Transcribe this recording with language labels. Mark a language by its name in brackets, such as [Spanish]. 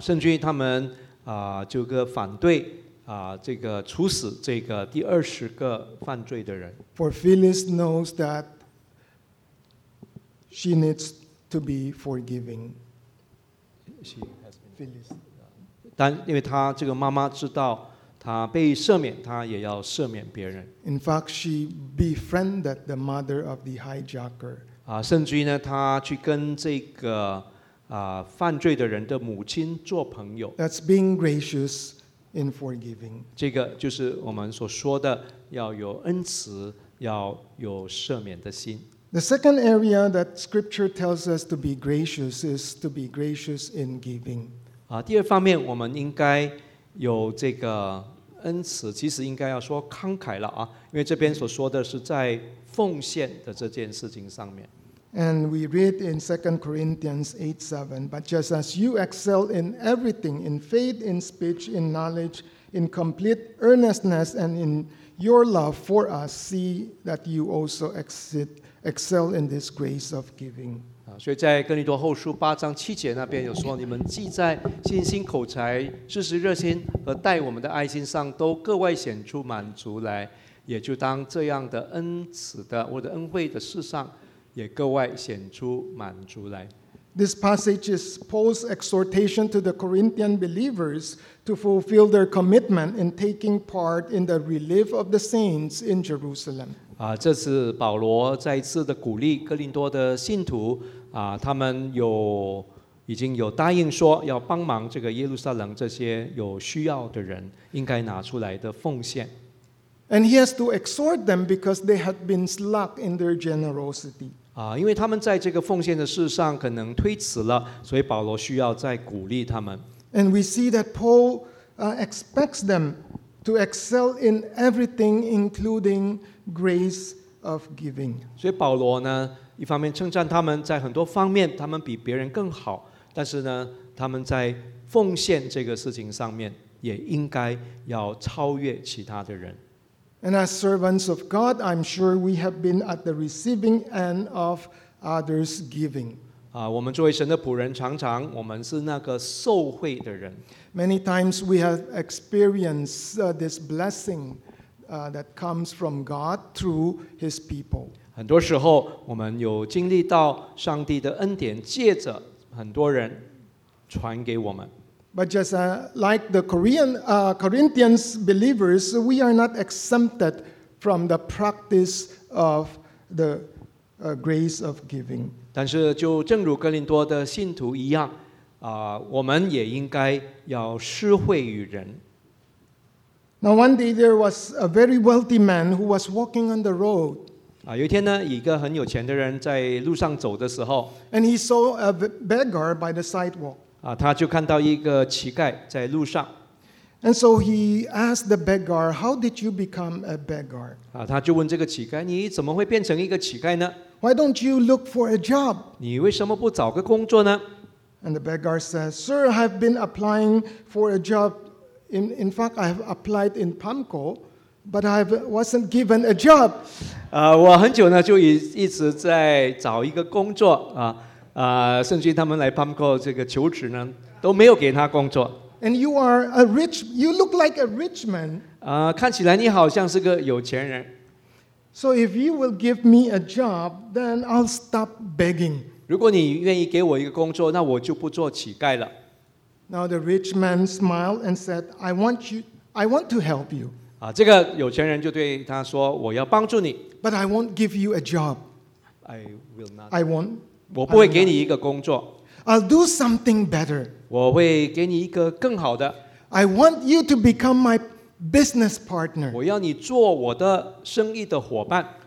[Chinese] 甚至于他们就反对这个处死这个第二十个犯罪的人。 [English] For Phyllis knows that she needs to be forgiving. She has been Phyllis. [Chinese] 但因为她这个妈妈知道她被赦免，她也要赦免别人。 [English] In fact, she befriended the mother of the hijacker. [Chinese] 甚至于呢，她去跟这个犯罪的人的母亲做朋友。 [English] That's being gracious. In forgiving, [Chinese] 这个就是我们所说的要有恩慈，要有赦免的心。 [English] The second area that Scripture tells us to be gracious is to be gracious in giving. [Chinese] 第二方面我们应该有这个恩慈，其实应该要说慷慨了因为这边所说的是在奉献的这件事情上面。 [English] And we read in 2 Corinthians 8:7, but just as you excel in everything, in faith, in speech, in knowledge, in complete earnestness, and in your love for us, see that you also excel in this grace of giving. [Chinese] 所以在哥林多后书八章七节那边有说，你们既在信心、口才、事实热心和待我们的爱心上都格外显出满足来，也就当这样的恩慈的或者恩惠的事上也格外显出满足来。 [English] This passage is Paul's exhortation to the Corinthian believers to fulfill their commitment in taking part in the relief of the saints in Jerusalem. [Chinese] 这是保罗再一次的鼓励哥林多的信徒，他们有已经有答应说要帮忙这个耶路撒冷这些有需要的人应该拿出来的奉献。 [English] And he has to exhort them because they had been slack in their generosity. [Chinese] 因为他们在这个奉献的事上可能推迟了，所以保罗需要再鼓励他们。 [English] And we see that Paul expects them to excel in everything, including grace of giving. [Chinese] 所以保罗呢，一方面称赞他们在很多方面他们比别人更好，但是呢，他们在奉献这个事情上面也应该要超越其他的人。 [English] And as servants of God, I'm sure we have been at the receiving end of others' giving. [Chinese] 我们作为神的仆人，常常我们是那个受惠的人。 [English] Many times we have experienced this blessing that comes from God through His people. [Chinese] 很多时候，我们有经历到上帝的恩典，借着很多人传给我们。 [English] But just like the Corinthians believers, we are not exempted from the practice of the grace of giving. [Chinese] 但是就正如哥林多的信徒一样，我们也应该要施惠于人。 [English] Now one day there was a very wealthy man who was walking on the road. [Chinese] 有一天呢，一个很有钱的人在路上走的时候。 [English] And he saw a beggar by the sidewalk. [Chinese] 他就看到一个乞丐在路上。 [English] And so he asked the beggar, "How did you become a beggar?" [Chinese] 他就问这个乞丐，你怎么会变成一个乞丐呢？ [English] "Why don't you look for a job?" [Chinese] 你为什么不找个工作呢？ [English] And the beggar says, "Sir, I've been applying for a job. In fact, I have applied in Pamco, but I wasn't given a job." [Chinese] 我很久呢就一直在找一个工作啊。甚至他们来 Pamco 这个求职呢，都没有给他工作。 [English] And you are a rich, you look like a rich man. [Chinese] 看起来你好像是个有钱人。 [English] So if you will give me a job, then I'll stop begging. [Chinese] 如果你愿意给我一个工作，那我就不做乞丐了。 [English] Now the rich man smiled and said, "I want to help you." [Chinese] 这个有钱人就对他说，我要帮助你。 [English] But I won't give you a job. I will not. I won't. [Chinese] 我不会给你一个工作。 [English] I'll do something better. [Chinese] 我会给你一个更好的。 [English] I want you to become my business partner. [Chinese] 我要你做我的生意的伙伴。